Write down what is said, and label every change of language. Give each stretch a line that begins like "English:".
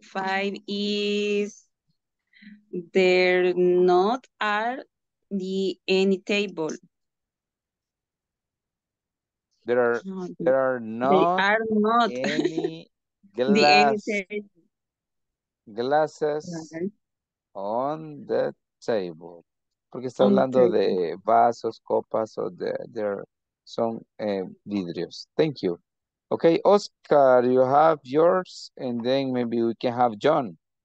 English: Five is there not are the any table. There are not any glasses on the table.
Spanish: Porque está hablando de vasos, copas, o de son vidrios.
English: Thank you. Okay, Oscar, you have yours, and then maybe we can have John.